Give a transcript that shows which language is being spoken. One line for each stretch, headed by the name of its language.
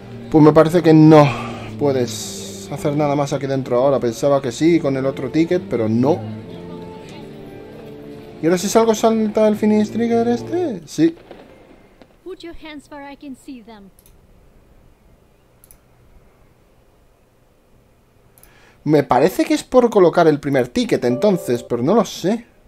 Spanish: Pues me parece que no puedes hacer nada más aquí dentro ahora. Pensaba que sí con el otro ticket, pero no. ¿Y ahora si salgo salta el Finistrigger este? Sí.
English: Put your hands where I can see them.
Spanish: Me parece que es por colocar el primer ticket entonces, pero no lo sé.